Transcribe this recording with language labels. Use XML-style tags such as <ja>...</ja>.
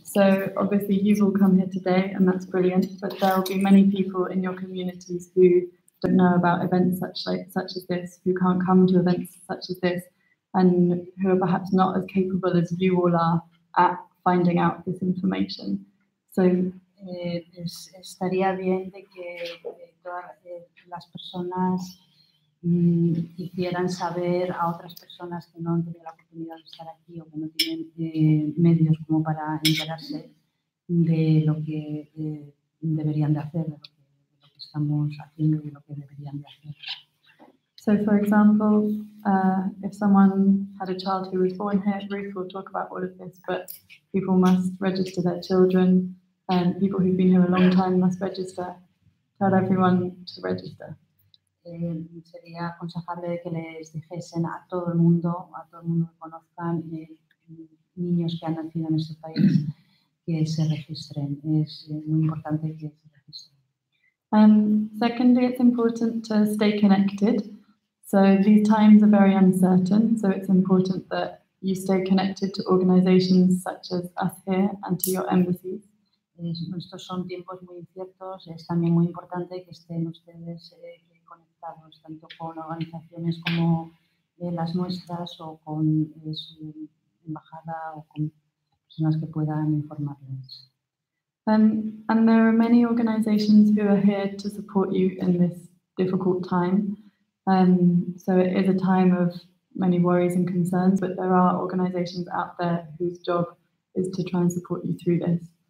<en>So obviously you've all come here today and that's brilliant, but there will be many people in your communities who don't know about events such as this, who can't come to events such as this, and who are perhaps not as capable as you all are at finding out this information. So</en> <es>estaría bien de que las personas hicieran saber a otras personas que no han tenido la oportunidad de estar aquí o que no tienen medios como para enterarse de lo que deberían de hacer, de lo que estamos haciendo y de lo que deberían de hacer.</es> <en>So, for example, if someone had a child who was born here, Ruth will talk about all of this, but people must register their children, and people who've been here a long time must register. Tell everyone to register.</en> <es>Sería aconsejable que les dijesen a todo el mundo que conozcan, niños que han nacido en este país, que se registren. Es muy importante que se registren.</es> <en>Secondly, it's important to stay connected. So these times are very uncertain, so it's important that you stay connected to organizations such as us here and to your embassies.</en> <es>Estos son tiempos muy inciertos. Es también muy importante que estén ustedes conectados tanto con organizaciones como las nuestras o con su embajada o con personas que puedan informarles.</es> <en>And there are many organizations who are here to support you in this difficult time. So it is a time of many worries and concerns, but there are organizations out there whose job is to try and support you through this.</en>